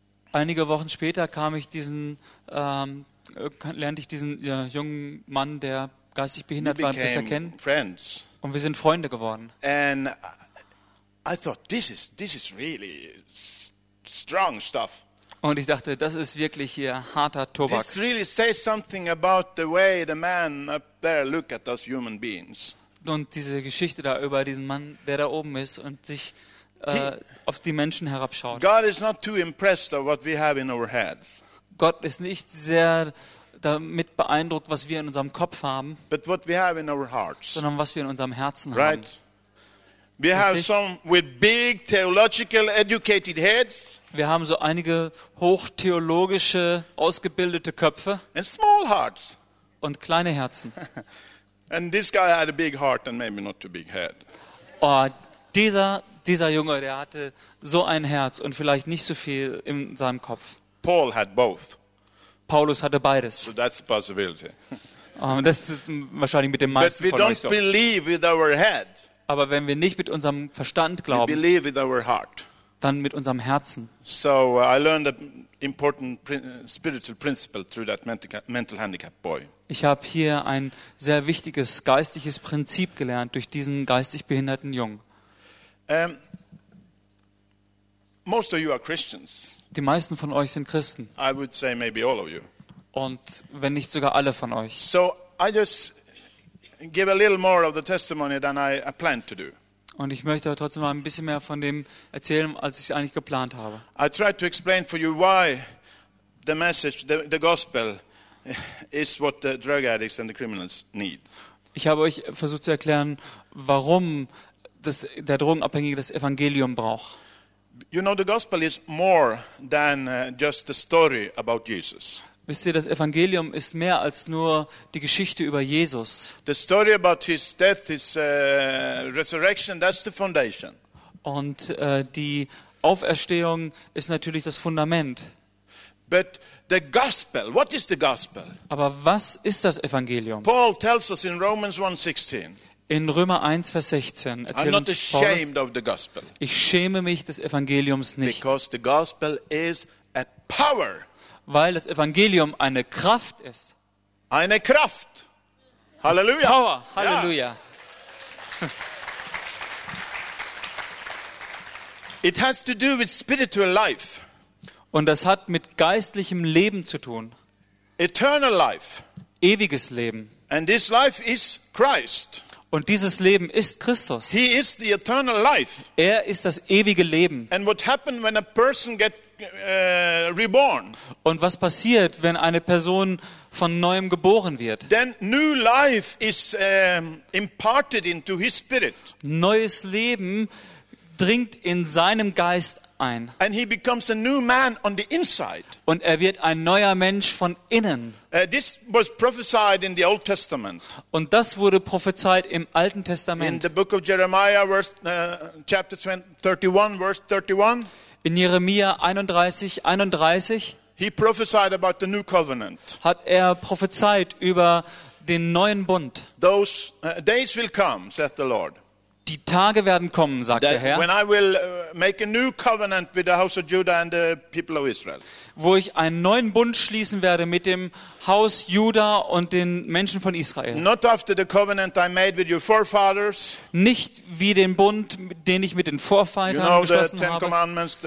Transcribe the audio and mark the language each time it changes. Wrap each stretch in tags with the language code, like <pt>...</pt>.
<de>Einige Wochen später kam ich diesen, lernte ich diesen jungen Mann, der geistig behindert war, besser kennen.</de> <en>Friends.</en> <de>Und wir sind Freunde geworden.</de> <en>And I thought this is really strong stuff.</en> <de>Und ich dachte, das ist wirklich hier harter Tobak.</de> <en>This really says something about the way the man up there look at those human beings.</en> <de>Und diese Geschichte da über diesen Mann, der da oben ist und sich auf die Menschen herabschaut.</de> <en>God is not too impressed of what we have in our heads.</en> <de>Gott ist nicht sehr damit beeindruckt, was wir in unserem Kopf haben.</de> <en>But what we have in our hearts.</en> <de>Sondern was wir in unserem Herzen</de> <en>right?</en> <de>haben.</de> <en>We have some with big theological educated heads.</en> <de>Wir haben so einige hochtheologische ausgebildete Köpfe.</de> <en>And small hearts.</en> <de>Und kleine Herzen.</de> <en>And this guy had a big heart and maybe not too big head.</en> <de>Oh, dieser Junge, der hatte so ein Herz und vielleicht nicht so viel in seinem Kopf.</de> <en>Paul had both.</en> <de>Paulus hatte beides.</de> <en>So that's a possibility.</en> <de>Das ist wahrscheinlich mit dem meisten von euch so.</de> <en>But we don't believe with our head.</en> <de>Aber wenn wir nicht mit unserem Verstand glauben,</de> <en>we believe with our heart.</en> <de>Dann mit unserem Herzen.</de> <en>So I learned an important spiritual principle through that mental handicap boy.</en> <de>Ich habe hier ein sehr wichtiges geistiges Prinzip gelernt durch diesen geistig behinderten Jungen.</de> <en>Most of you are Christians.</en> <de>Die meisten von euch sind Christen.</de> <en>I would say maybe all of you.</en> <de>Und wenn nicht sogar alle von euch.</de> <en>So I just give a little more of the testimony than I planned to do.</en> <de>Und ich möchte trotzdem mal ein bisschen mehr von dem erzählen, als ich es eigentlich geplant habe.</de> <en>I tried to explain for you why the message, the gospel is what the drug addicts and the criminals need.</en> <de>Ich habe euch versucht zu erklären, warum das der Drogenabhängige das Evangelium braucht.</de> <en>You know, the gospel is more than just the story about Jesus.</en> <de>Wisst ihr, das Evangelium ist mehr als nur die Geschichte über Jesus.</de> <en>The story about his death, his resurrection, that's the foundation.</en> <de>Und die Auferstehung ist natürlich das Fundament.</de> <en>But the gospel, what is the gospel?</en> <de>Aber was ist das Evangelium?</de> <en>Paul tells us in Romans 1:16.</en> <de>In Römer 1, Vers 16 erzählt uns Paulus.</de> <en>I'm not ashamed of the gospel.</en> <de>Ich schäme mich des Evangeliums nicht.</de> <en>Because the gospel is a power.</en> <de>Weil das Evangelium eine Kraft ist. Eine Kraft. Halleluja.</de> <en>Power. Halleluja. Ja. It has to do with spiritual life.</en> <de>Und das hat mit geistlichem Leben zu tun.</de> <en>Eternal life.</en> <de>Ewiges Leben.</de> <en>And this life is Christ.</en> <de>Und dieses Leben ist Christus.</de> <en>He is the eternal life.</en> <de>Er ist das ewige Leben.</de> <en>And what happened when a person get reborn?</en> <de>Und was passiert, wenn eine Person von neuem geboren wird?</de> <en>Then new life is imparted into his spirit.</en> <de>Neues Leben dringt in seinem Geist ein.</de> <en>And he becomes a new man on the inside.</en> <de>Und er wird ein neuer Mensch von innen.</de> <en>This was prophesied in the Old Testament.</en> <de>Und das wurde prophezeit im Alten Testament.</de> <en>In the book of Jeremiah, chapter 31, verse 31.</en> <de>In Jeremia 31:31.</de> <en>He prophesied about the new covenant.</en> <de>Hat er prophezeit über den neuen Bund.</de> <en>Those days will come, saith the Lord.</en> <de>Die Tage werden kommen, sagt der Herr.</de> <en>When I will make a new covenant with the house of Judah and the people of Israel.</en> <de>Wo ich einen neuen Bund schließen werde mit dem Haus Juda und den Menschen von Israel.</de> <en>Not after the covenant I made with your forefathers.</en> <de>Nicht wie den Bund, den ich mit den Vorvätern geschlossen habe.</de>